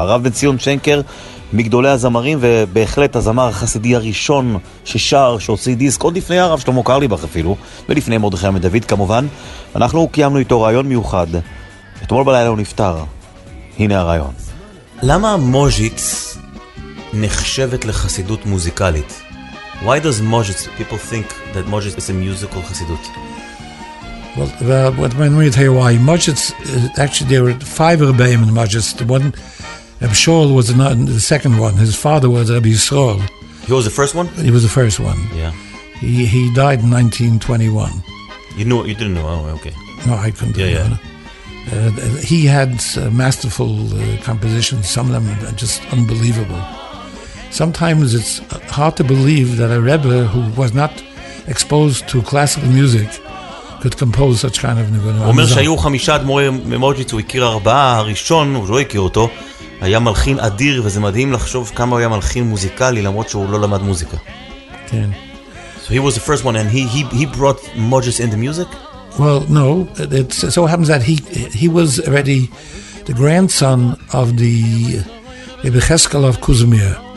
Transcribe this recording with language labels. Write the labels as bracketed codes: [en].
[he] הרב בן ציון שנקר, מגדולי הזמרים, ובהחלט הזמר החסידי הראשון ששר, שהוציא דיסק, עוד לפני הרב שלמה קרליבך אפילו, ולפני מרדכי מדוד כמובן. אנחנו קיימנו איתו רעיון מיוחד. אתמול בלילה הוא נפטר. הנה הרעיון. למה מוז'יץ נחשבת לחסידות מוזיקלית? [en] Why does Mojitz, people think that Mojitz is a musical חסידות? Well, when we tell you why, Mojitz, actually there were five Rebbeim in Mojitz. The one, Reb Shaul was the second one. His father was Reb Yisrael. He was the first one? He was the first one. Yeah. He died in 1921. You didn't know, oh, okay. No, I couldn't. Yeah, yeah. He had masterful compositions, some of them are just unbelievable. Sometimes it's hard to believe that a Rebbe who was not exposed to classical music could compose such kind of ניגון. [he] הוא אומר שהיו חמישה אדמו"רי ממוז'יץ, הוא הכיר ארבעה, הראשון, הוא לא הכיר אותו, היה מלחין אדיר, וזה מדהים לחשוב כמה הוא היה מלחין מוזיקלי, למרות שהוא לא למד מוזיקה. כן. [en] So he was the first one, and he brought Mojitz into music? Well, no, it so happens that he was already the grandson of the Rebbe Cheskel of Kuzmir.